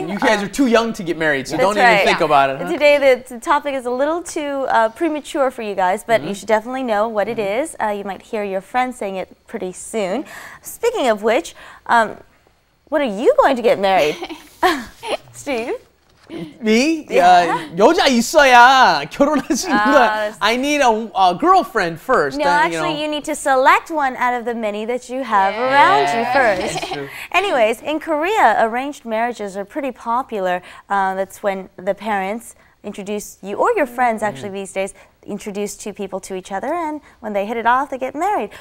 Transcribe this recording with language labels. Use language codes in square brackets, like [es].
[en] And you guys are too young to get married, so don't even think about it. Huh? Today the topic is a little too premature for you guys, but you should definitely know what it is. You might hear your friends saying it pretty soon. Speaking of which, when are you going to get married? Steve? Me? Yeah. [ko] 여자 있어야 결혼할 수 있는 거야. [en] I need a girlfriend first. No, actually, you need to select one out of the many that you have around you first. That's true. Anyways, in Korea, arranged marriages are pretty popular. That's when the parents introduce you, or your friends actually these days, introduce two people to each other, and when they hit it off, they get married.